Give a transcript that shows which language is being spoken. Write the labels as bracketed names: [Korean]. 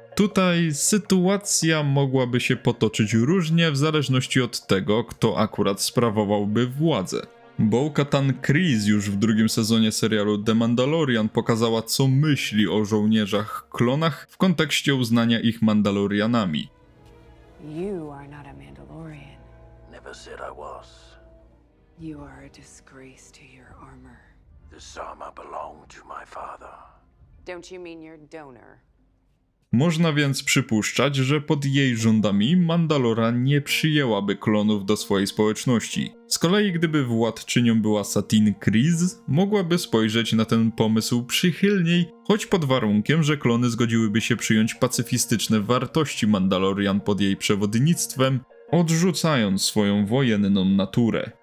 [Polish] Tutaj sytuacja mogłaby się potoczyć różnie w zależności od tego, kto akurat sprawowałby władzę. Bo-Katan Kryss już w drugim sezonie serialu The Mandalorian pokazała, co myśli o żołnierzach klonach w kontekście uznania ich Mandalorianami. [English] You are not a Mandalorian. Never said I was. You are a disgrace to your armor. This armor belonged to my father. Don't you mean your donor? [Polish] Można więc przypuszczać, że pod jej rządami Mandalora nie przyjęłaby klonów do swojej społeczności. Z kolei gdyby władczynią była Satin Kryss, mogłaby spojrzeć na ten pomysł przychylniej, choć pod warunkiem, że klony zgodziłyby się przyjąć pacyfistyczne wartości Mandalorian pod jej przewodnictwem, odrzucając swoją wojenną naturę.